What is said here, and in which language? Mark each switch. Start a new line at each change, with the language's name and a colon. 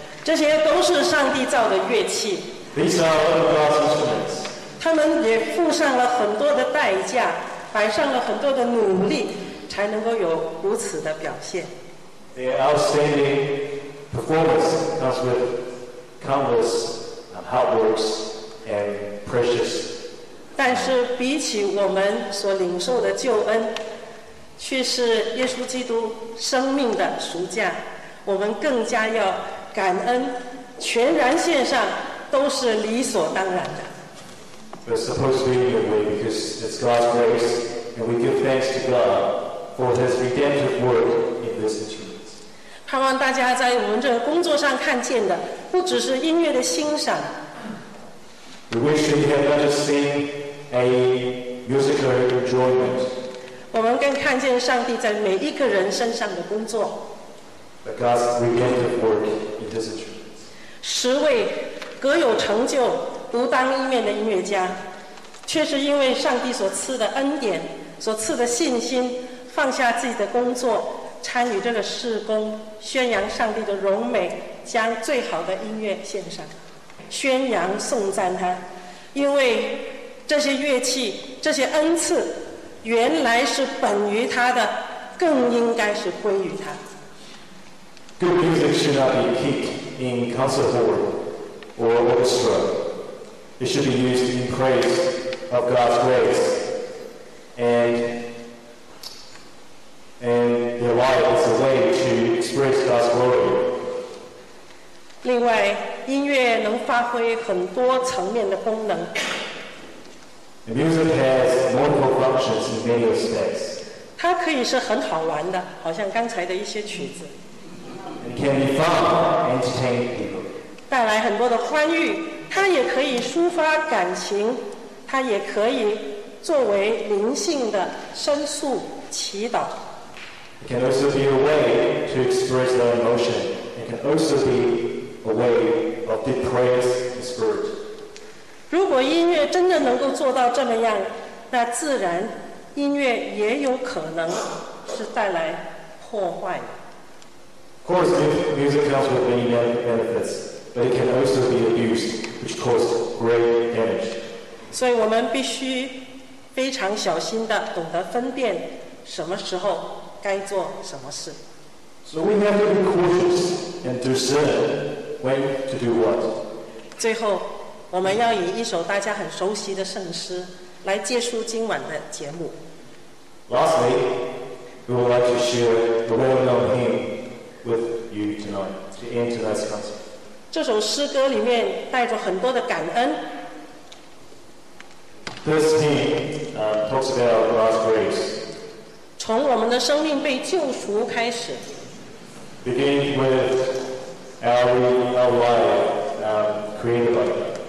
Chinese: 这些都是上帝造的乐器。
English: These are all God's instruments.
Chinese: 他们也付上了很多的代价，摆上了很多的努力，才能够有如此的表现。
English: Their outstanding performance comes with countless hard works and precious.
Chinese: 但是比起我们所领受的救恩，却是耶稣基督生命的赎价，我们更加要感恩，全然献上，都是理所当然的。
English: But supposedly in a way, because it's God's grace, and we give thanks to God for His redemptive work in this instrument.
Chinese: 盼望大家在我们这个工作上看见的，不只是音乐的欣赏。
English: We wish you had not just seen a musical enjoyment.
Chinese: 我们更看见上帝在每一个人身上的工作。
English: But God's redemptive work in this instrument.
Chinese: 十位各有成就、独当一面的音乐家，却是因为上帝所赐的恩典、所赐的信心，放下自己的工作，参与这个事工，宣扬上帝的荣美，将最好的音乐献上，宣扬颂赞他，因为这些乐器、这些恩赐。原来是本于他的，更应该是归于他。
English: Good music should not be kept in concert hall or orchestra. It should be used in praise of God's grace and the light is a way to express God's glory.
Chinese: 另外，音乐能发挥很多层面的功能。
English: The music has multiple functions in many respects.
Chinese: 它可以是很好玩的，好像刚才的一些曲子。
English: It can be fun, entertain people.
Chinese: 带来很多的欢愉，它也可以抒发感情，它也可以作为灵性的申诉、祈祷。
English: It can also be a way to express the emotion. It can also be a way of deep prayers and spirit.
Chinese: 如果音乐真的能够做到这么样，那自然音乐也有可能是带来破坏的。
English: Of course, music comes with many benefits, but it can also be abused, which causes great damage.
Chinese: 所以我们必须非常小心地懂得分辨什么时候该做什么事。
English: So we have to be cautious and discern when to do what.
Chinese: 最后。我们要以一首大家很熟悉的圣诗来结束今晚的节目。
English: Lastly, we would like to share the well-known hymn with you tonight to end tonight's concert.
Chinese: 这首诗歌里面带着很多的感恩。
English: This hymn talks about God's grace.
Chinese: 从我们的生命被救赎开始。
English: Begin with our life created by God.